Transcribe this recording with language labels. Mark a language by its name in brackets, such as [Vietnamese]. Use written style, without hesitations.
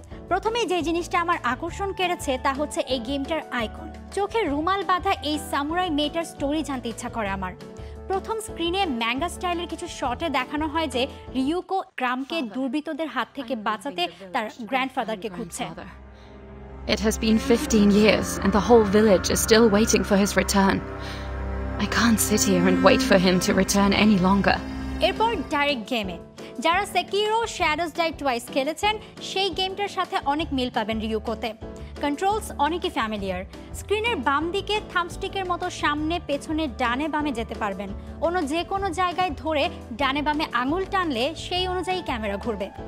[Bangla] প্রথমে যে জিনিসটা আমার আকর্ষণ কেড়েছে তা হচ্ছে এই গেমটার আইকন। চোখে রুমাল বাঁধা এই সামুরাই মেয়েটার স্টোরি জানতে ইচ্ছা করে আমার। প্রথম স্ক্রিনে ম্যাঙ্গা স্টাইলের কিছু শটে দেখানো হয় যে রিউকো গ্রামকে দুর্বৃত্তদের হাত থেকে বাঁচাতে তার গ্র্যান্ডফাদারকে খুঁজছে। [English] It has been 15 years and the whole village is still waiting for his return. I can't sit here and wait for him to return any longer. [Bangla] এরপর ডাইরেক্ট গেমে, যারা সেকিরো শ্যাডোজ ডাই টুয়াইস খেলেছেন সেই গেমটার সাথে অনেক মিল পাবেন রিউকোতে। কন্ট্রোলস অনেকই ফ্যামিলিয়ার। স্ক্রিনের বাম দিকে থাম্বস্টিকের মতো সামনে পেছনে ডানে বামে যেতে পারবেন। অন্য যে কোনো জায়গায় ধরে ডানে বামে আঙুল টানলে সেই অনুযায়ী ক্যামেরা ঘুরবে।